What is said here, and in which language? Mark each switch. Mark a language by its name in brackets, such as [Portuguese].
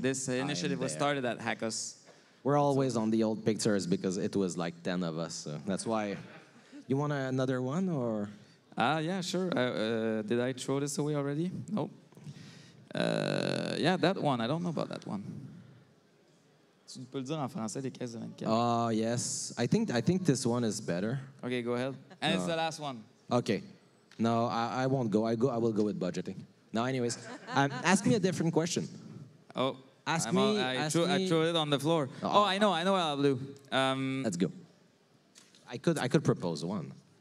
[English] This initiative was started at HackUS. We're always on the old pictures because it was like 10 of us. So that's why. You want another one or? Yeah, sure. Did I throw this away already? Nope. Yeah, that one. I don't know about that one. [French] Tu peux le dire en français, les caisses de 24. [English] Yes. I think this one is better. Okay, go ahead. And it's the last one. Okay. No, I won't go. I go. I will go with budgeting. No, anyways, ask me a different question. Oh, ask me. I threw it on the floor. Oh, I know. I know what I'll do. Let's go. I could propose one.